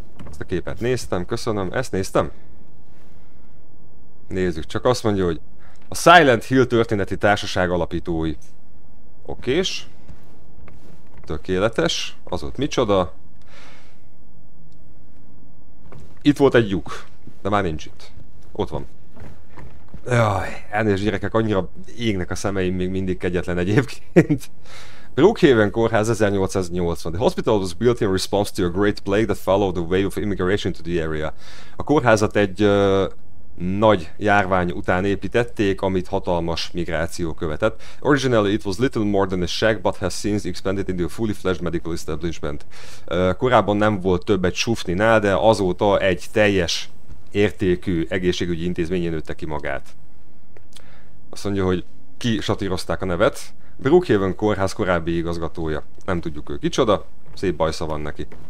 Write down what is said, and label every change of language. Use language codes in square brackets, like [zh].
[hu] Ezt a képet néztem, köszönöm. Ezt néztem? Nézzük, csak azt mondja, hogy a Silent Hill történeti társaság alapítói. Okés. Tökéletes. Az ott micsoda. Itt volt egy lyuk, de már nincs itt. Ott van. Jaj, elnézést gyerekek, annyira égnek a szemeim még mindig kegyetlen egyébként. Brookhaven kórház 1880. [en] The hospital was built in response to a great plague that followed the wave of immigration to the area. [hu] A kórházat egy nagy járvány után építették, amit hatalmas migráció követett. [en] Originally it was little more than a shack, but has since expanded into a fully fledged medical establishment. [hu] Korábban nem volt többet sufninál, de azóta egy teljes értékű egészségügyi intézményén nőtte ki magát. Azt mondja, hogy ki satírozták a nevet. Brookhaven kórház korábbi igazgatója. Nem tudjuk ő kicsoda. Szép bajsza van neki.